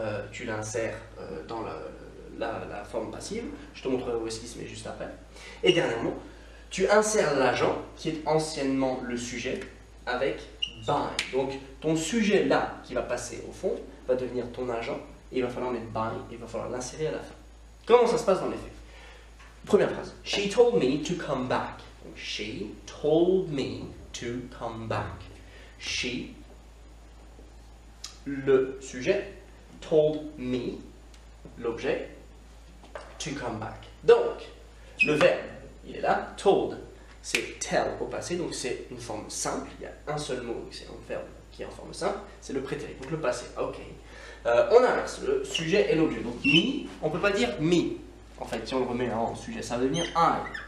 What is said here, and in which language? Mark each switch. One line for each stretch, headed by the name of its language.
French: Tu l'insères dans la forme passive, je te montrerai où est-ce qu'il se met juste après. Et dernièrement, tu insères l'agent, qui est anciennement le sujet, avec by. Donc ton sujet là, qui va passer au fond, va devenir ton agent, et il va falloir mettre by, et il va falloir l'insérer à la fin. Comment ça se passe dans les faits? Première phrase,
English: she told me to come back.
French: Donc,
English: she told me to come back. She,
French: le sujet,
English: told me,
French: l'objet,
English: to come back.
French: Donc, le verbe, il est là, told, c'est tell au passé, donc c'est une forme simple, il y a un seul mot, c'est un verbe qui est en forme simple, c'est le prétérit, donc le passé, ok. On inverse, le sujet et l'objet, donc me, on ne peut pas dire me, en fait, si on le remet en sujet, ça va devenir I.